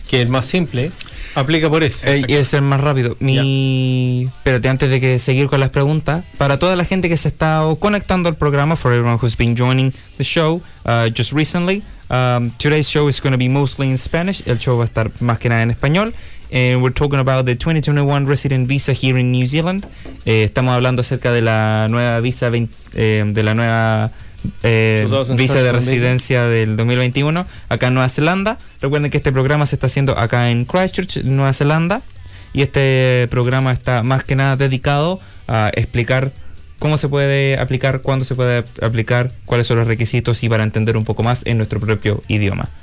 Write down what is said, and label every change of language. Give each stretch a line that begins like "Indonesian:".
Spanish: que es el más simple, aplica por eso. Y es el más rápido. Espérate, antes de que seguir con las preguntas, para toda la gente que se está conectando al programa,
English: for everyone who's been joining the show just recently, today's show is going to be mostly in Spanish.
Spanish: El show va a estar más que nada en español.
English: And we're talking about the 2021 resident visa here in New Zealand.
Spanish: Estamos hablando acerca de la nueva visa 20, de la nueva visa de residencia del 2021 acá en Nueva Zelanda. Recuerden que este programa se está haciendo acá en Christchurch, Nueva Zelanda, y este programa está más que nada dedicado a explicar cómo se puede aplicar, cuándo se puede aplicar, cuáles son los requisitos, y para entender un poco más en nuestro propio idioma.